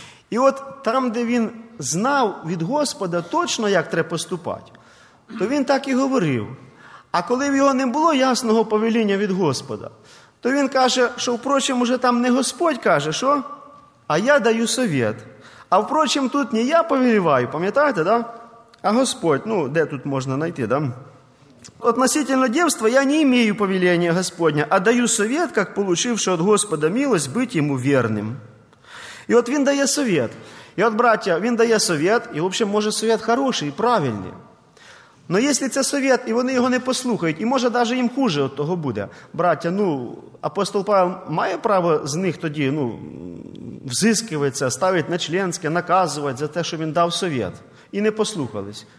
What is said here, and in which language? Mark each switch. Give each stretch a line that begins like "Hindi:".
Ukrainian: І от там, де він знав від Господа точно, як треба поступати, то він так і говорив. А коли в його не було ясного повеління від Господа, то він каже, що, впрочем, уже там не Господь каже, що?
Russian: А я даю совет. А, впрочем, тут не я повелеваю,
Ukrainian: пам'ятаєте, да? А Господь, ну, де тут можна знайти, да?
Russian: Относительно девства я не имею повеления Господня, а даю совет, как получивши от Господа милость, быть ему верным.
Ukrainian: И вот він дає совет. И от, браття, він дає совет, і, в общем, може, совет хороший, правильний. Но если це совет, і вони його не послухають, і може даже їм хуже от того буде. Браття, ну, апостол Павел має право з них тоді, ну, взискивається, ставить на членське, наказувати за те, що він дав совет, і не послухались.